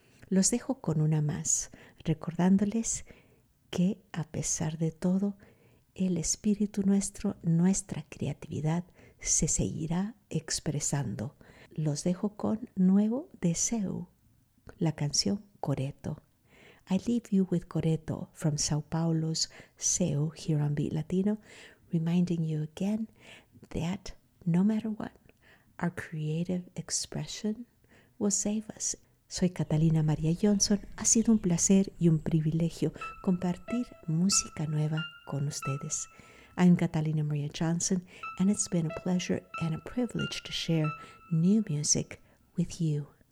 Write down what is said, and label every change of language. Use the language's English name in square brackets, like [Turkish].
[Spanish] Los dejo con una más, recordándoles que a pesar de todo, el espíritu nuestro, nuestra creatividad, se seguirá expresando. Los dejo con Nuevo Deseo, la canción Coreto. [English] I leave you with Coreto from Sao Paulo's Seo here on Beat Latino, reminding you again that no matter what, our creative expression will save us. [Spanish] Soy Catalina María Johnson. Ha sido un placer y un privilegio compartir música nueva con ustedes. [English] I'm Catalina María Johnson, and it's been a pleasure and a privilege to share new music with you.